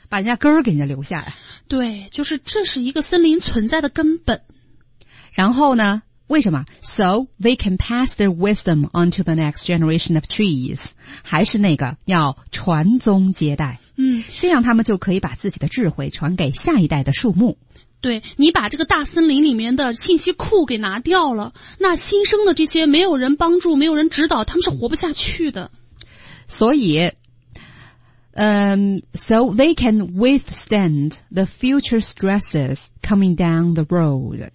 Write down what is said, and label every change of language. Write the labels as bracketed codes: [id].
[zh] 把人家根儿给人家留下来。对，就是这是一个森林存在的根本。然后呢？为什么？ [en] So they can pass their wisdom onto the next generation of trees. [zh] 还是那个要传宗接代。嗯，这样他们就可以把自己的智慧传给下一代的树木。对，你把这个大森林里面的信息库给拿掉了，那新生的这些没有人帮助，没有人指导，他们是活不下去的。所以 [en] So they can withstand the future stresses coming down the road.